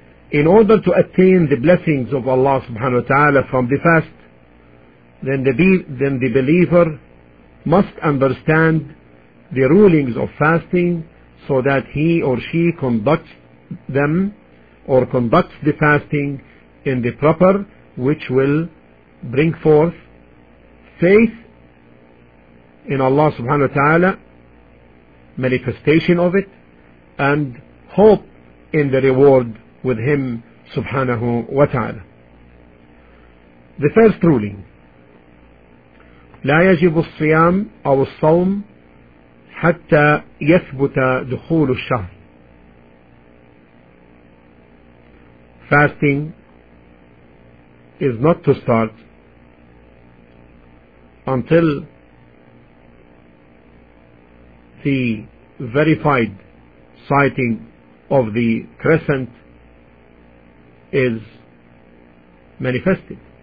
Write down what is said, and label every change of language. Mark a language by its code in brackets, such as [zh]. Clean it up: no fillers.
[en] In order to attain the blessings of Allah subhanahu wa ta'ala from the fast, then the believer must understand the rulings of fasting so that he or she conducts them or conducts the fasting in the proper, which will bring forth faith in Allah subhanahu wa ta'ala, manifestation of it, and hope in the reward with him subhanahu wa ta'ala. The first ruling: [ar] لا يجب الصيام أو الصوم حتى يثبت دخول الشهر. [en] Fasting is not to start until the verified sighting of the crescent is manifested.